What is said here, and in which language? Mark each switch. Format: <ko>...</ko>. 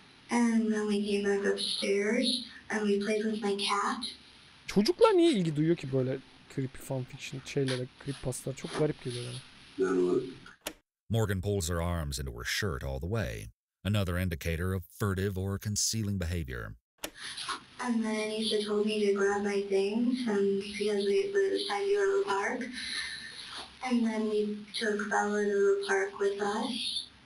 <en>And then we came back upstairs and we played with my cat.</en> <tr>Çocuklar niye ilgi duyuyor ki böyle</tr> <en>creepy fanfiction</en> <tr>şeylere, creepypastalar? Çok garip geliyor yani.</tr> <en>Morgan pulls her arms into her shirt all the way. Another indicator of furtive or concealing behavior. And then Issa told me to grab my things and because we were decided to go to the park. And then we took Bella to the park with us.</en>